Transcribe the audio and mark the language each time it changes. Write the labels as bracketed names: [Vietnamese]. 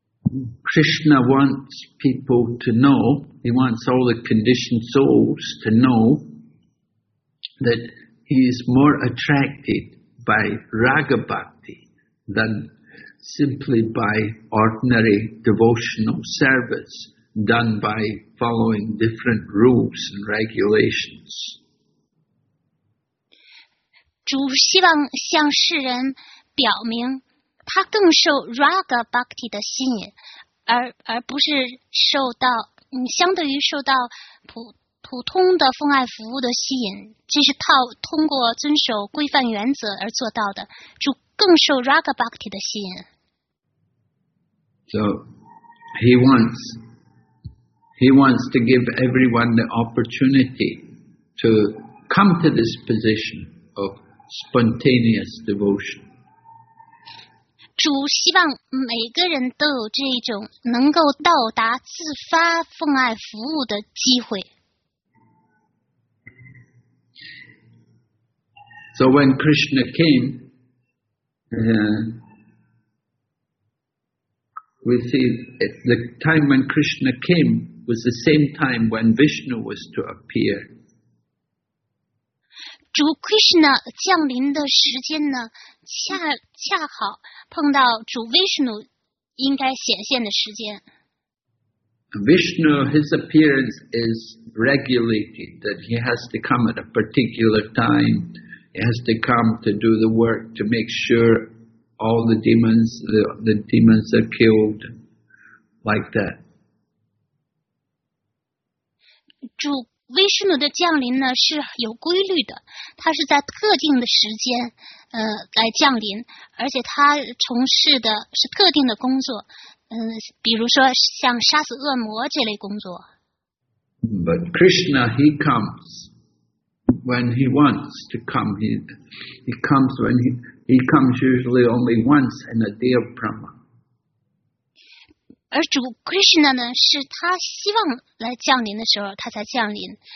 [English] Krishna wants people to know, he wants all the conditioned souls to know that he is more attracted by raga bhakti than simply by ordinary devotional service done by following different rules and regulations. [Chinese] 主希望向世人表明他更受 raga bhakti 的吸引，而不是受到相对于受到 普通的奉爱服务的吸引，这是靠通过遵守规范原则而做到的。主更受 raga bhakti 的吸引。 [English] So he wants to give everyone the opportunity to come to this position of spontaneous devotion. [Chinese] 主希望每个人都有这种能够到达自发奉爱服务的机会。 [English] So when Krishna came, we see the time when Krishna came was the same time when Vishnu was to appear. [Chinese] 主 Krishna 降临的时间呢，恰好碰到主 Vishnu 应该显现的时间。 [English] Vishnu, his appearance is regulated that he has to come at a particular time. He has to come to do the work to make sure all the demons are killed, like that. [Chinese] 主威士努的降临呢是有规律的，他是在特定的时间来降临，而且他从事的是特定的工作，比如说像杀死恶魔这类工作。 [English] But Krishna, he comes when he wants to come. He comes usually only once in a day of Brahma. [Chinese] 而主 Krishna 呢，是他希望来降临的时候，他才降临。